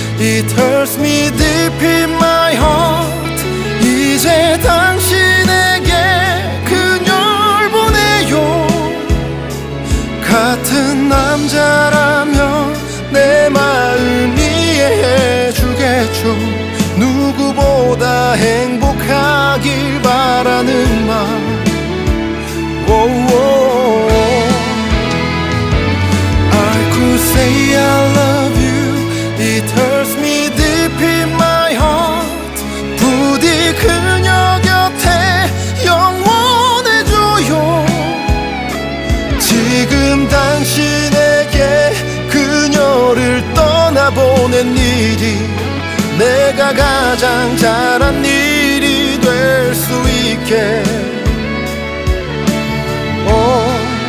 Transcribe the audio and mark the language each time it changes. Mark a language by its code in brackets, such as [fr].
[en] It hurts me deep in my heart. [ko] 이제 당신에게 그녀를 보내요. 같은 남자라면 내 마음 이해해 주겠죠. 누구보다 행복하길 바라는 마음 whoa, whoa. [en] I could say I love you. It hurts me deep in my heart. [ko] 부디 그녀 곁에 영원해줘요. 지금 당신에게 그녀를 떠나보낸 일이 내가 가장 잘한 일이 될 수 있게 oh.